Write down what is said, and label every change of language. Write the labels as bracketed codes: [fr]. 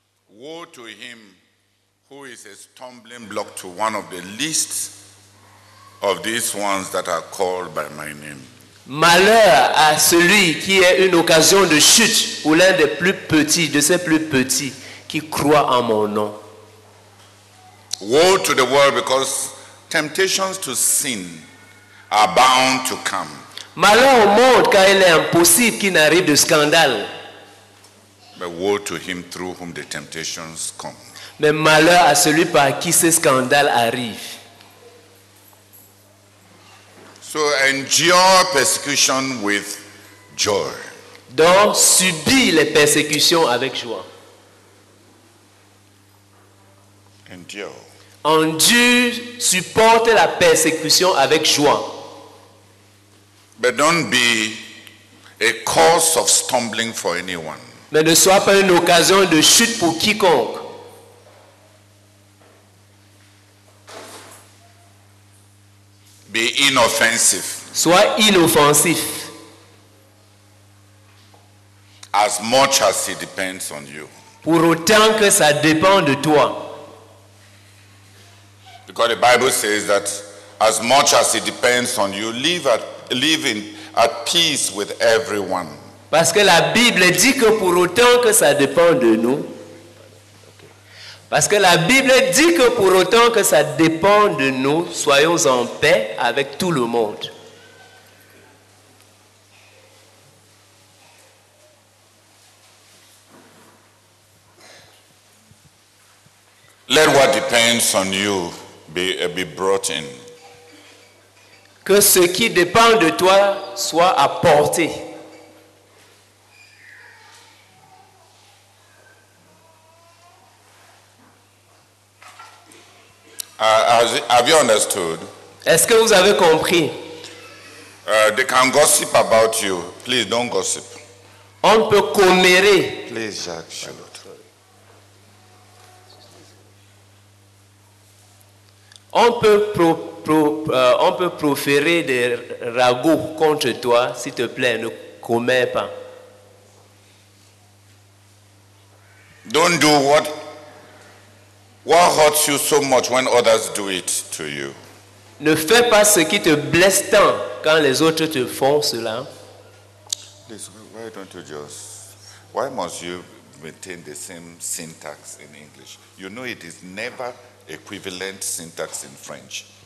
[en] woe to him who is a stumbling block to one of the least of these ones that are called by my name. [fr] Malheur à celui qui est une occasion de chute pour l'un des plus petits, de ces plus petits qui croient en mon nom. [en] Woe to the world because temptations to sin are bound to come. [fr] Malheur au monde car il est impossible qu'il n'arrive de scandale. [en] But woe to him through whom the temptations come. [fr] Mais malheur à celui par qui ces scandales arrivent. [en] So endure persecution with joy. [fr] Donc subis les persécutions avec joie. [en] Endure. Endure, [fr] supporte la persécution avec joie. [en] But don't be a cause of stumbling for anyone. [fr] Mais ne sois pas une occasion de chute pour quiconque. [en] Be inoffensive. [fr] Sois inoffensif. [en] As much as it depends on you. [fr] Pour autant que ça dépend de toi. [en] Because the Bible says that as much as it depends on you, live at peace with everyone. [fr] Parce que la Bible dit que pour autant que ça dépend de nous. Parce que la Bible dit que pour autant que ça dépend de nous, soyons en paix avec tout le monde. [en] Let what depends on you be brought in. [fr] Que ce qui dépend de toi soit apporté. [en] Have you understood? [fr] Est-ce que vous avez compris? [en] They can gossip about you. Please don't gossip. [fr] On peut commérer. [en] Please, Jacques. Sure. [fr] On peut proférer des ragots contre toi, s'il te plaît, ne commets pas. [en] Don't do what. What hurts you so much when others do it to you? [fr] Ne fais pas ce qui te blesse tant quand les autres te font cela. [en] Please, why don't you just? Why must you maintain the same syntax in English? You know it is never equivalent syntax in French.